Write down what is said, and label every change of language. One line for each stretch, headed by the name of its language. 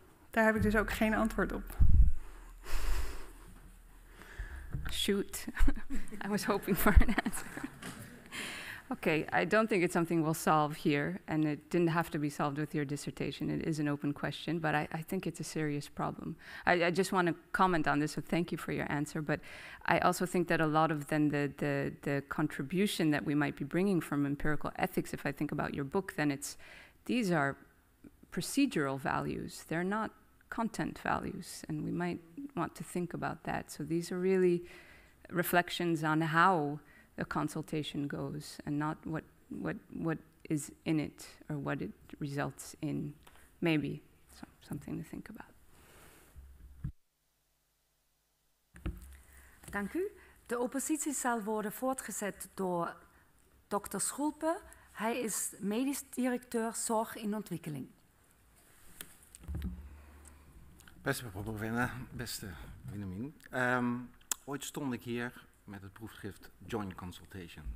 Dutch: Daar heb ik dus ook geen antwoord op.
English: Shoot. I was hoping for an answer. Okay, I don't think it's something we'll solve here, and it didn't have to be solved with your dissertation. It is an open question, but I think it's a serious problem. I just want to comment on this, so thank you for your answer, but I also think that a lot of then the contribution that we might be bringing from empirical ethics, if I think about your book, then it's these are procedural values. They're not content values, and we might want to think about that. So these are really reflections on how a consultation goes and not what is in it or what it results in, maybe. So something to think about.
Dutch: Dank u. De oppositie zal worden voortgezet door Dr. Schulpe. Hij is medisch directeur zorg in ontwikkeling. Beste mevrouw Bovenda, beste Benjamin. Ooit stond ik hier met het proefschrift Joint Consultation.